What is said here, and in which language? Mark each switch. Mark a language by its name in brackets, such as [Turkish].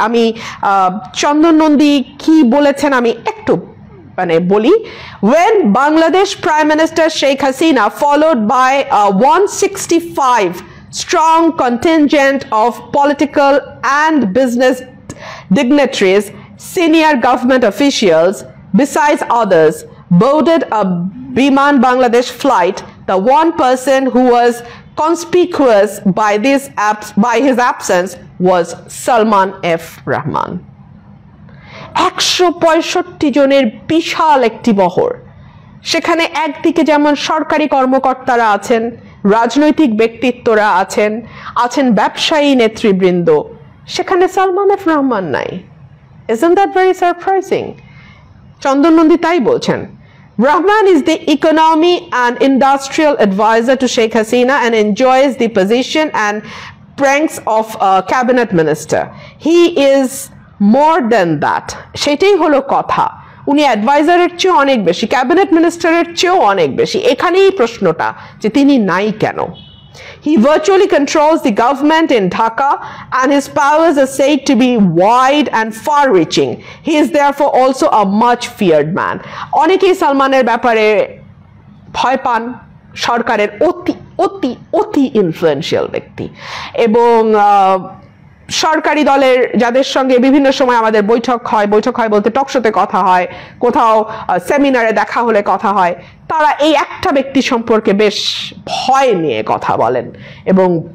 [Bangla] আমি চন্দন নন্দী কি বলেছেন আমি একটু মানে বলি, [English] When Bangladesh prime minister Sheikh Hasina followed by 165 strong contingent of political and business dignitaries senior government officials besides others boarded a Biman Bangladesh flight, the one person who was conspicuous by this by his absence was Salman F. Rahman. [Bangla] 165 জনের বিশাল একটি বহর, সেখানে একদিকে যেমন সরকারি কর্মকর্তারা আছেন, রাজনৈতিক ব্যক্তিত্বরা আছেন, আছেন ব্যবসায়ী নেতৃবৃন্দ, সেখানে সালমান এফ রহমান নাই। [English] Isn't that very surprising? [Bangla] চন্দননন্দী তাই বলছেন, [English] Rahman is the economy and industrial advisor to Sheikh Hasina and enjoys the position and pranks of a cabinet minister. He is more than that. [Bangla] সেটাই হলো কথা, উনি অ্যাডভাইজারের চেয়েও অনেক বেশি, ক্যাবিনেট মিনিস্টারের চেয়েও অনেক বেশি। এখানেই প্রশ্নটা যে তিনি নাই কেন। [English] He virtually controls the government in Dhaka and his powers are said to be wide and far-reaching. He is therefore also a much feared man. [Bangla] অনেকেই সালমানের ব্যাপারে ভয় পান, সরকারের অতি অতি অতি ইনফ্লুয়েন্সিয়াল ব্যক্তি, এবং সরকারি দলের যাদের সঙ্গে বিভিন্ন সময় আমাদের বৈঠক হয় বলতে টকশোতে কথা হয়, কোথাও সেমিনারে দেখা হলে কথা হয়, তারা এই একটা ব্যক্তি সম্পর্কে বেশ ভয় নিয়ে কথা বলেন এবং